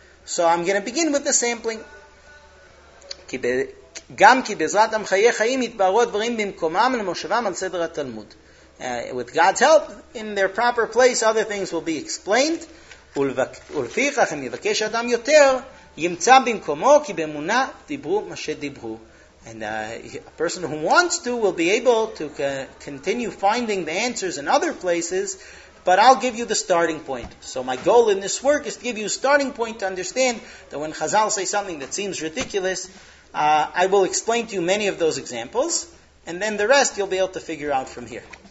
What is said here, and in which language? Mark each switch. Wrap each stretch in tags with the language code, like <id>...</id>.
<en>So I'm going to begin with the sampling.</en> <he>גם כי בעזרת המחיי חיים יתבררו הדברים במקומם למושבם על סדר התלמוד.</he> <en>With God's help, in their proper place, other things will be explained.</en> <he>ולפיכך, אם יבקש אדם יותר, ימצא במקומו, כי באמונה דיברו מה שדיברו.</he> <en>And a person who wants to will be able to continue finding the answers in other places, but I'll give you the starting point. So my goal in this work is to give you a starting point to understand that when Chazal say something that seems ridiculous, I will explain to you many of those examples, and then the rest you'll be able to figure out from here.</en>